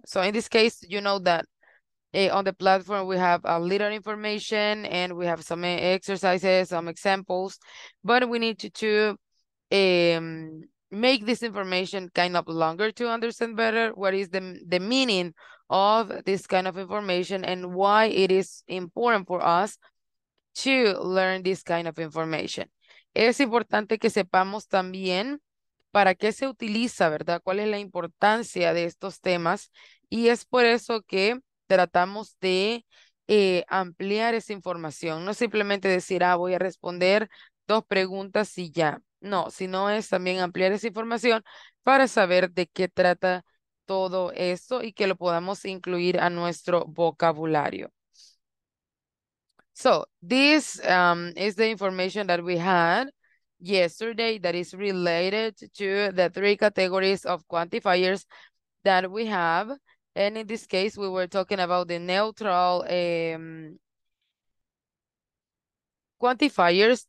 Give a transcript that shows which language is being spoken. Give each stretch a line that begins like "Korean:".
English: So in this case, you know that on the platform, we have a little information and we have some exercises, some examples, but we need to make this information kind of longer to understand better what is the meaning of this kind of information and why it is important for us to learn this kind of information.
Spanish: Es importante que sepamos también para qué se utiliza, ¿verdad? ¿Cuál es la importancia de estos temas? Y es por eso que tratamos de ampliar esa información, no simplemente decir, ah, voy a responder 2 preguntas y ya. No, sino es también ampliar esa información para saber de qué trata todo esto y que lo podamos incluir a nuestro vocabulario.
English: So, this is the information that we had yesterday that is related to the 3 categories of quantifiers that we have. And in this case, we were talking about the neutral quantifiers.